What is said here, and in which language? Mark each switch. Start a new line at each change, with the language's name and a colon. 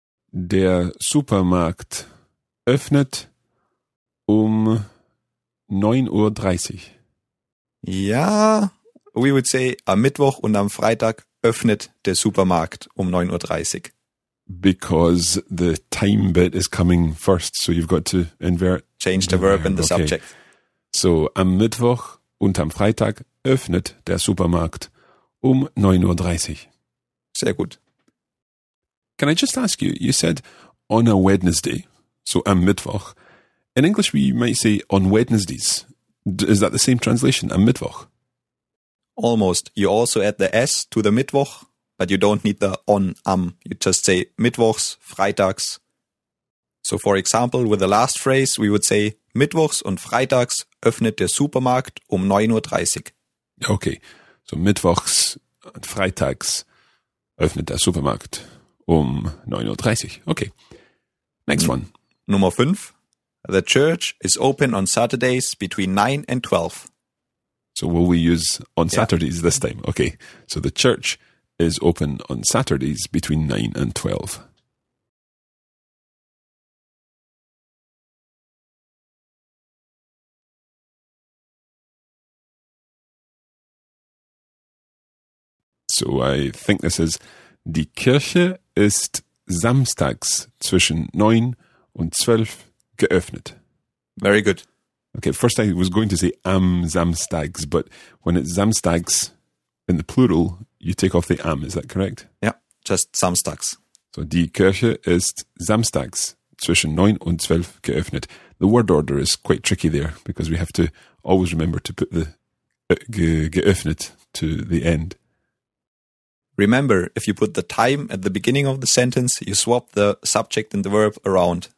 German: Der Supermarkt öffnet um 9:30 Uhr.
English: Yeah, we would say
German: am Mittwoch und am Freitag öffnet der Supermarkt um 9:30 Uhr.
English: Because the time bit is coming first, so you've got to invert. Change the verb and the okay. Subject.
German: So, am Mittwoch und am Freitag öffnet der Supermarkt um 9:30 Uhr. Sehr gut.
English: Can I just ask you, you said on a Wednesday, so am Mittwoch. In English, we might say on Wednesdays. Is that the same translation, am Mittwoch? Almost. You also add the S to the Mittwoch. But you don't need the on, am. You just say Mittwochs, Freitags. So for example, with the last phrase, we would say
German: Mittwochs und Freitags öffnet der Supermarkt um 9:30 Uhr. Okay, so Mittwochs und Freitags öffnet der Supermarkt um 9:30 Uhr.
English: Okay, next one.
German: Nummer 5.
English: The church is open on Saturdays between 9 and 12. So will we use on Saturdays this time? Okay, so the church is open on Saturdays between 9 and 12. So I think this is,
German: die Kirche ist samstags zwischen 9 und 12 geöffnet.
English: Very good. Okay, first I was going to say am samstags, but when it's samstags in the plural, you take off the am, is that correct? Yeah, just samstags.
German: So die Kirche ist samstags zwischen 9 und 12 geöffnet.
English: The word order is quite tricky there because we have to always remember to put the geöffnet to the end. Remember, if you put the time at the beginning of the sentence, you swap the subject and the verb around.